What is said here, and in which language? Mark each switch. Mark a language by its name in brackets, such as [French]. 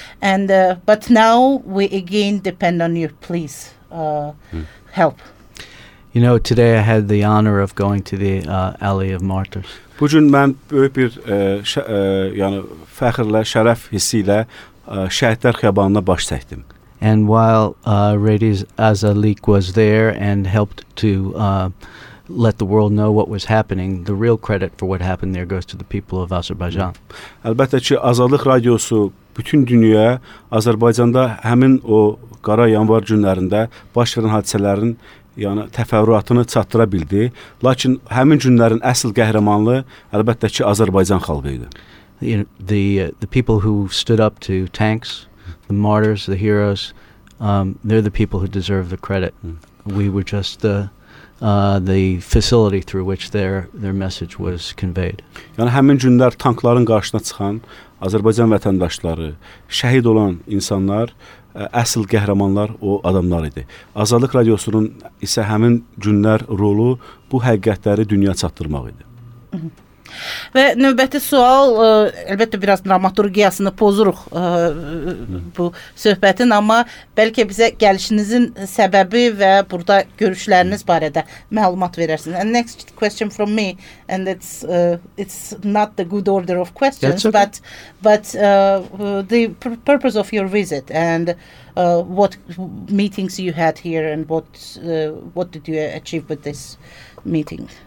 [English] And but now we again depend on you. Please help. You know, today I had the honor of going to the Alley of Martyrs. [Azerbaijani] Bu gün mən böyük bir yani fəxrlə, şərəf hissilə Şəhidlər Xiyabanına baş çəkdim. [English] And while Radio Azadlıq was there and helped to let the world know what was happening, the real credit for what happened there goes to the people of Azerbaijan. [Azerbaijani] Əlbəttə ki, Azadlıq Radiosu bütün dünyaya Azərbaycanda həmin o qara yanvar günlərində baş verən hadisələrin yəni təfərrüatını çatdıra bildi. Lakin həmin günlərin əsl qəhrəmanı əlbəttə ki, Azərbaycan xalqı idi. [English] The people who stood up to tanks, the martyrs, the heroes, they're the people who deserve the credit. We were just the facility through which their message was conveyed. [Azerbaijani] Yəni həmin günlər tankların qarşısına çıxan Azərbaycan vətəndaşları, şəhid olan insanlar əsl qəhrəmanlar o adamlar idi. Azadlıq Radiosunun isə həmin günlər rolu bu həqiqətləri dünya çatdırmaq idi. Və növbəti sual, əlbəttə biraz dramaturgiyasını pozuruq bu söhbətin, amma bəlkə bizə gəlişinizin səbəbi və burada görüşləriniz barədə məlumat verərsiniz. [English] And next question from me, and it's not the good order of questions, okay. but the purpose of your visit and what meetings you had here and what did you achieve with this meeting?